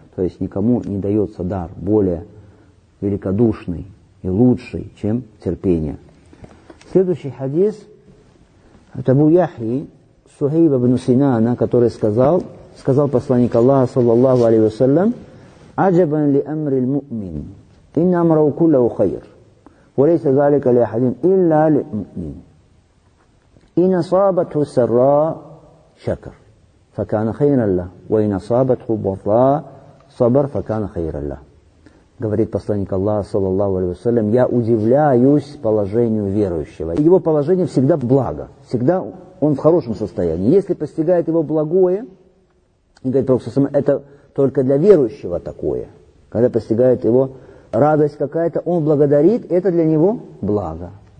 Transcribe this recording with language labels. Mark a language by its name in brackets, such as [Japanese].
[Russian] То есть никому не дается дар более великодушный и лучший, чем терпение. Следующий хадис от Абу Яхьи Сухейб ибн Синана, который сказал, сказал посланник Аллаха, саллаллаху алейхи вассалям, [Arabic] «Аджабан ли амри ль-му'мин, инна амрау куллаху хайр». وليس ذلك لأحد إلا للمؤمن. إن أصابته سراء شكر فكان خيرا له، وإن أصابته ضراء صبر فكان خيرا له. [Russian] Говорит посланник Аллаха, саллаллаху алейхи ва саллям, я удивляюсь положению верующего. Его положение всегда благо, всегда он в хорошем состоянии. Если постигает его благое, и говорит Пророк саллаллаху алейхи ва саллям, это только для верующего такое. Когда постигает его радость какая-то, он благодарит, это для него благо.